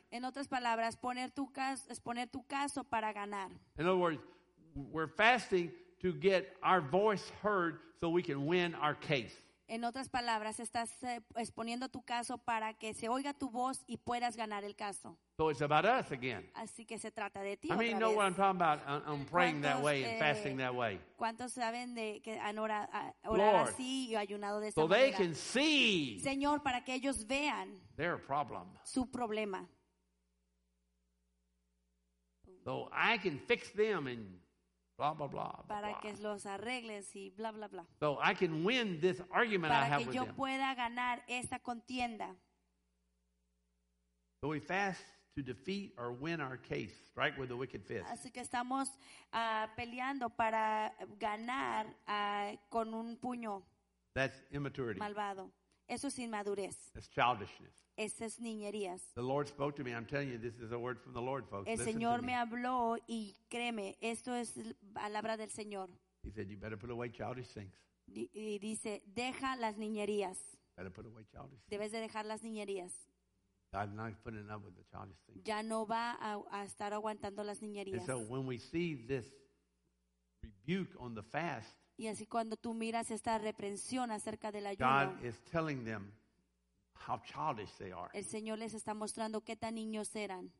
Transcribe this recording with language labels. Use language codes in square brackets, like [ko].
[es] En otras palabras, poner tu caso para ganar. [en] In other words, we're fasting to get our voice heard so we can win our case. [es] En otras palabras, estás exponiendo tu caso para que se oiga tu voz y puedas ganar el caso. [en] So it's about us again. [es] Así que se trata de ti. [en] I mean, you know what I'm talking about. I'm praying that way and fasting that way. [es] ¿Cuántos saben de que han orado así y ayunado de esta manera? [en] So they can see. [es] Señor, para que ellos vean. [en] Their problem. [es] Su problema. [en] So I can fix them and blah, blah, blah, blah, blah. [es] Para que los arregles y blah, blah, blah. [en] So I can win this argument [es] para [en] I have with them. [es] Para que yo pueda ganar esta contienda. [en] So we fast to defeat or win our case. Strike with a wicked fist. [es] Así que estamos peleando para ganar con un puño. [en] That's immaturity. [es] Malvado. Eso es inmadurez. [en] That's childishness. [es] Esas es niñerías. [en] The Lord spoke to me. I'm telling you, this is a word from the Lord, folks. [es] El [en] Listen [es] Señor me habló y créeme, esto es palabra del Señor. [en] He said, you better put away childish things. [es] Y dice, deja las niñerías. [en] Better put away childish things. [es] Debes de dejar las niñerías. [en] God's not putting up with the childish things. [es] Ya no va a estar aguantando las niñerías. [en] And so when we see this rebuke on the fast, [es] y así cuando tú miras esta reprensión acerca del ayuno, [en] God is telling them how childish they are. [es] El Señor les está mostrando qué tan niños eran.